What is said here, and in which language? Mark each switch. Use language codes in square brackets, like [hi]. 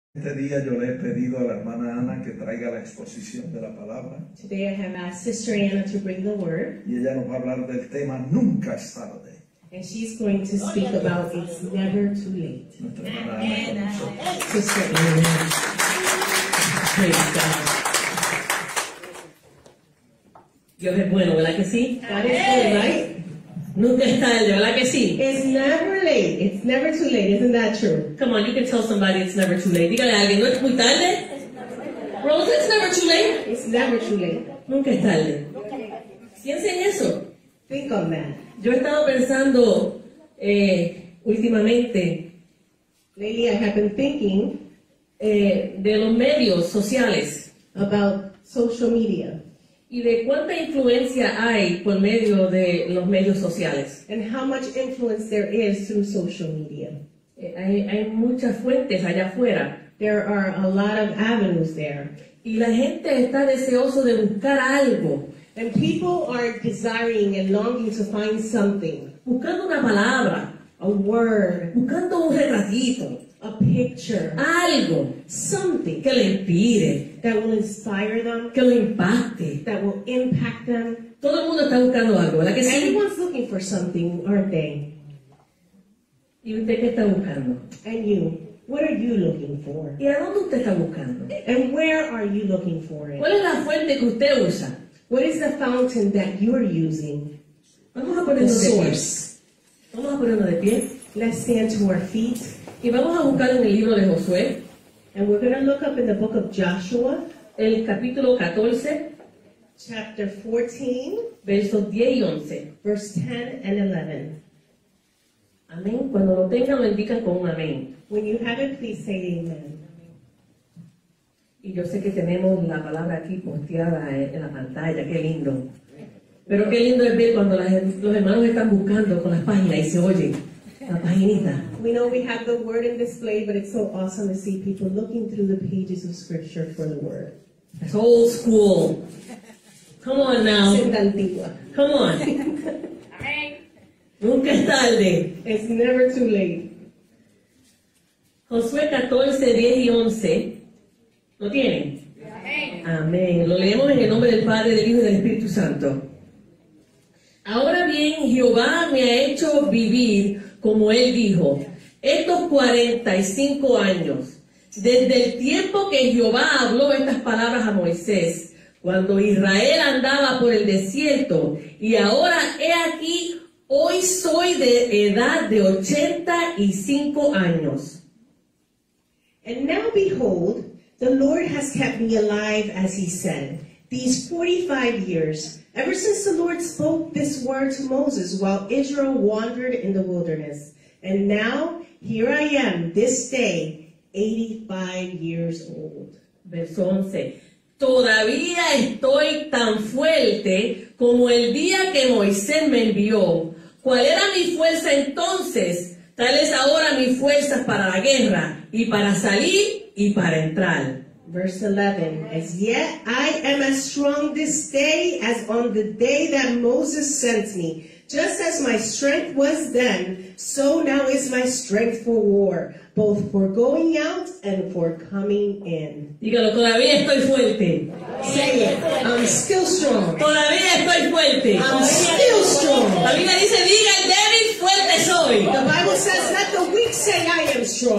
[es] Este día yo le he pedido a la hermana Ana que traiga la exposición de la palabra. [en] Today I have asked Sister Anna to bring the word. [es] Y ella nos va a hablar del tema Nunca es tarde. [en] And she's going to speak about it's never too late. [es] Nuestra hermana Ana con nosotros. [en] Sister Anna. Praise God. [es] Dios es bueno, ¿verdad que sí? [en] God is good, right? [es] Nunca es tarde, ¿verdad que sí? [en] It's never late. It's never too late. Isn't that true? Come on, you can tell somebody it's never too late. [es] Dígale a alguien, ¿no es muy tarde? Rosa, [en] it's never too late. It's never too late. [es] Nunca es tarde. Piensa en eso. [en] Think on that. [es] Yo he estado pensando últimamente. [en] Lately, I have been thinking. [es] De los medios sociales. [en] About social media. [es] Y de cuánta influencia hay por medio de los medios sociales. [en] And how much influence there is through social media. [es] Hay muchas fuentes allá afuera. [en] There are a lot of avenues there. [es] Y la gente está deseoso de buscar algo. [en] And people are desiring and longing to find something. [es] Buscando una palabra. [en] A word. [es] Buscando un retratito. [en] A picture. [es] Algo. [en] Something. [es] Que le inspire. [en] That will inspire them. [es] Que lo impacte. [en] That will impact them. [es] Todo el mundo está buscando algo, ¿verdad que sí? [en] Everyone's looking for something, aren't they? [es] ¿Y usted qué está buscando? [en] And you, what are you looking for? [es] ¿Y a dónde usted está buscando? [en] And where are you looking for it? [es] ¿Cuál es la fuente que usted usa? [en] What is the fountain that you're using? [es] Vamos a ponernos de pie. Vamos a ponernos de pie. [en] Let's stand to our feet. [es] Y vamos a buscar en el libro de Josué. [en] And we're going to look up in the book of Joshua. [es] El capítulo 14. [en] Chapter 14. [es] Versos 10 y 11. [en] Verse 10 and 11. [es] Amén. Cuando lo tengan, lo indican con un amén. [en] When you have it, please say amen. [es] Y yo sé que tenemos la palabra aquí posteada en la pantalla. Qué lindo. Pero qué lindo es ver cuando los hermanos están buscando con las páginas y se oyen. [en] We know we have the word in display, but it's so awesome to see people looking through the pages of scripture for the word. It's old school. Come on now. Come on. [es] Nunca es tarde. [en] It's never too late. [es] Josué 14, 10 y 11. ¿Lo tienen? Amén. Lo leemos en el nombre del Padre, del Hijo y del Espíritu Santo. Ahora bien, Jehová me ha hecho vivir como él dijo, estos 45 años, desde el tiempo que Jehová habló estas palabras a Moisés, cuando Israel andaba por el desierto, y ahora he aquí, hoy soy de edad de 85 años. [en] And now behold, the Lord has kept me alive, as he said, these 45 years. Ever since the Lord spoke this word to Moses while Israel wandered in the wilderness. And now, here I am, this day, 85 years old. [es] Verso 11. Todavía estoy tan fuerte como el día que Moisés me envió. ¿Cuál era mi fuerza entonces? Tal es ahora mi fuerza para la guerra, y para salir, y para entrar. [en] Verse 11, as yet I am as strong this day as on the day that Moses sent me. Just as my strength was then, so now is my strength for war, both for going out and for coming in. [es] Dígalo, todavía estoy fuerte. [en] Say it, I'm still strong. [es] Todavía estoy fuerte. [en] I'm still strong. [es] La Biblia dice, diga el débil, fuerte soy. [en] The Bible says, let the weak say I am strong.